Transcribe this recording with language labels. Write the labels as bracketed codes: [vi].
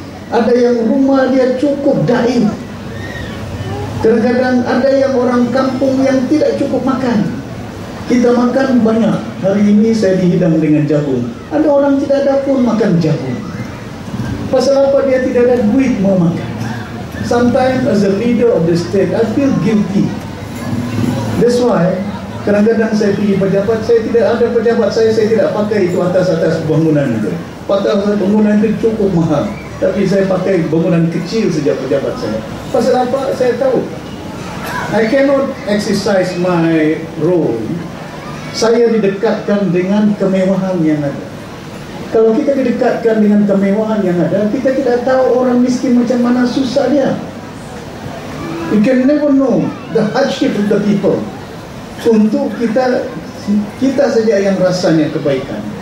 [ms] Ada yang rumah dia cukup daif. Kadang-kadang ada yang orang kampung yang tidak cukup makan. Kita makan banyak. Hari ini saya dihidang dengan jagung. Ada orang tidak ada pun makan jagung. Pasal apa dia tidak ada duit mau makan? [en] Sometimes as a leader of the state, I feel guilty. That's why, [ms] kadang-kadang saya pergi pejabat, saya tidak ada pejabat saya tidak pakai itu atas-atas bangunan itu. Padahal bangunan itu cukup mahal. Tapi saya pakai bangunan kecil sejak pejabat saya. Pasal apa? Saya tahu. [en] I cannot exercise my role. [ms] Saya didekatkan dengan kemewahan yang ada. Kalau kita didekatkan dengan kemewahan yang ada, kita tidak tahu orang miskin macam mana susah dia. [en] You can never know the hardship of the people. [ms] Untuk kita saja yang rasanya kebaikan.